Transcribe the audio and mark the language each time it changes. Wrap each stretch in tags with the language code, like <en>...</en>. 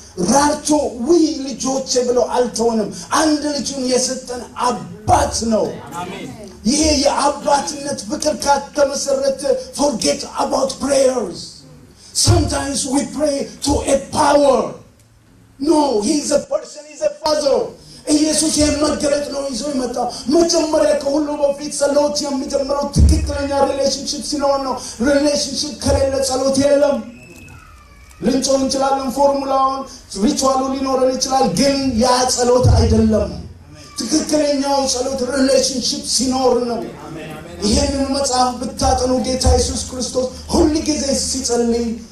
<am>ራርቶ ዊ ልጆቼ ብሎ አልተወንም። አንድ ልጁን የሰጠን አባት ነው። ይሄ የአባትነት ፍቅር ካተመሰረተ</am> <en>forget about prayers. Sometimes we pray to a power. No, he is a person, he is a father.</en> <am>ኢየሱስ የመገለጥ ነው ይዞ ይመጣ መጀመሪያ ከሁሉ በፊት ጸሎት የሚጀምረው ትክክለኛ ሪሌሽንሺፕ ሲኖር ነው። ሪሌሽንሺፕ ከሌለ ጸሎት የለም። ልንጮህ እንችላለን፣ ፎርሙላውን ሪቹዋሉ ሊኖረን ይችላል፣ ግን ያ ጸሎት አይደለም። ትክክለኛው ጸሎት ሪሌሽንሺፕ ሲኖር ነው። ይሄንን መጽሐፍ ብታጠኑ ጌታ ኢየሱስ ክርስቶስ ሁሉ ጊዜ ሲጸልይ</am>